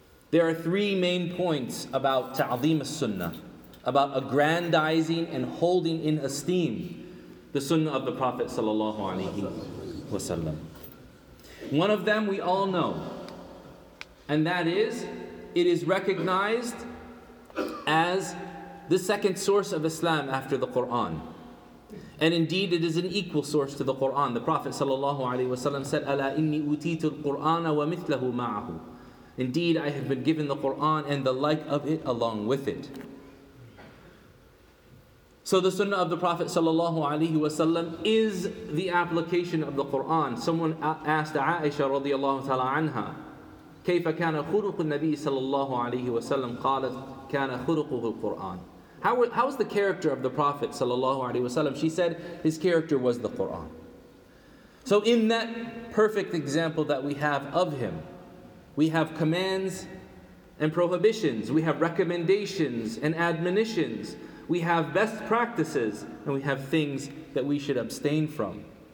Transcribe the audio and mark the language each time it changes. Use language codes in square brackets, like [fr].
[en] There are three main points about ta'zim as-sunnah, about aggrandizing and holding in esteem the sunnah of the Prophet ﷺ. One of them we all know, and that is, it is recognized as the second source of Islam after the Qur'an. And indeed, it is an equal source to the Qur'an. The Prophet ﷺ said, [ar] أَلَا إِنِّي أُوتِيتُ الْقُرْآنَ وَمِثْلَهُ مَعَهُ. [en] Indeed, I have been given the Qur'an and the like of it along with it. So the sunnah of the Prophet ﷺ is the application of the Qur'an. Someone asked Aisha [ar] radiallahu ta'ala anha, كَيْفَ كَانَ خُرُقُ النَّبِيِّ صَلَى اللَّهُ عَلَيْهِ وَسَلَّمْ قَالَتْ كَانَ خُرُقُهُ الْقُرْآنِ. [en] How is the character of the Prophet [ar] صلى الله عليه وسلم? [en] She said his character was the Qur'an. So in that perfect example that we have of him, we have commands and prohibitions, we have recommendations and admonitions, we have best practices, and we have things that we should abstain from.